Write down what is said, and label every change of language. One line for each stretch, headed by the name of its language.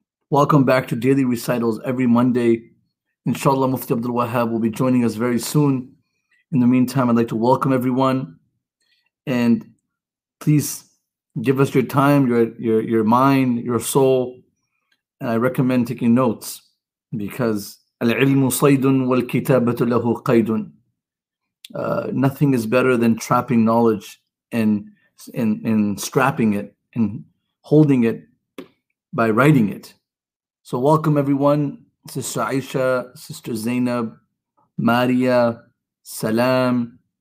English: Welcome back to Daily Recitals every Monday. Inshallah, Mufti Abdul Wahab will be joining us very soon. In the meantime, I'd like to welcome everyone. And please give us your time, your mind, your soul. And I recommend taking notes because
Arabic: العلم صيد والكتابة له قيد.
English: Nothing is better than trapping knowledge and strapping it and holding it by writing it. So welcome everyone, Sister Aisha, Sister Zainab, Maria, Salam.